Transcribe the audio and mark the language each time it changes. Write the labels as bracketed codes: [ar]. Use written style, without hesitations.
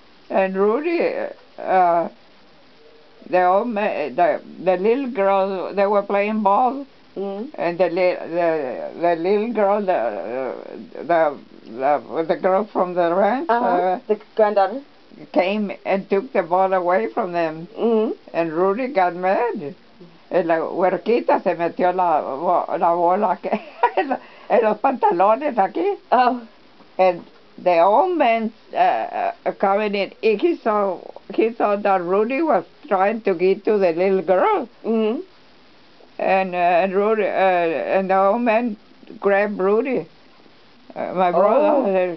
[en] And Rudy, the little girl, they were playing ball. Mm-hmm. And the little girl, the girl from the ranch. Uh-huh. The granddaughter. Came and took the ball away from them. Mm-hmm. And Rudy got mad. [es] La huerquita se metió la bola que, en los pantalones aquí. [en] Oh. And the old man coming in, he saw that Rudy was trying to get to the little girl. Mm-hmm. And the old man grabbed Rudy, my brother.